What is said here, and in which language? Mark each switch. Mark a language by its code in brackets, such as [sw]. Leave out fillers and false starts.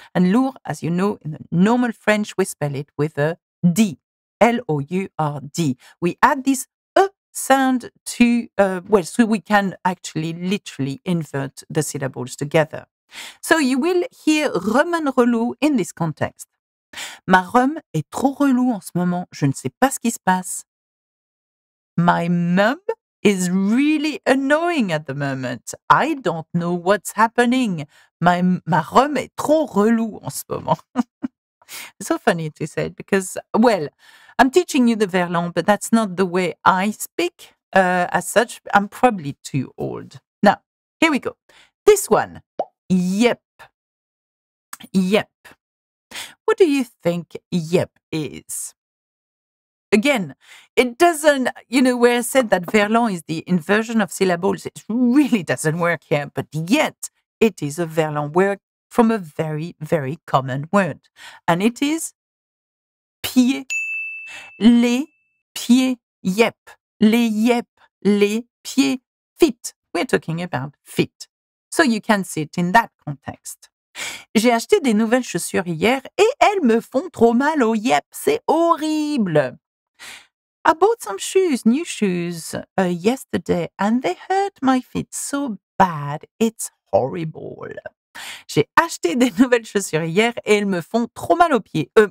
[en] And lourre, as you know, in the normal French, we spell it with a D, L-O-U-R-D. We add this sound to, so we can actually literally invert the syllables together. So you will hear rhum and relou in this context. [fr] Ma rhum est trop relou en ce moment, je ne sais pas ce qui se passe. [en] My mum is really annoying at the moment. I don't know what's happening. [fr] Ma rhum est trop relou en ce moment. [en] So funny to say it because, well, I'm teaching you the Verlan, but that's not the way I speak as such. I'm probably too old. Now, here we go. This one. Yep. Yep. What do you think yep is? Again, it doesn't, you know, where I said that Verlan is the inversion of syllables, it really doesn't work here, but yet it is a Verlan word from a very, very common word. And it is pied. [fr] Les pieds, [en] yep. [fr] Les yep, les pieds, [en] feet. We're talking about feet. So you can see it in that context. [fr] J'ai acheté des nouvelles chaussures hier et elles me font trop mal aux yep. C'est horrible. [en] I bought some shoes, new shoes, yesterday and they hurt my feet so bad. It's horrible. [fr] J'ai acheté des nouvelles chaussures hier et elles me font trop mal aux pieds.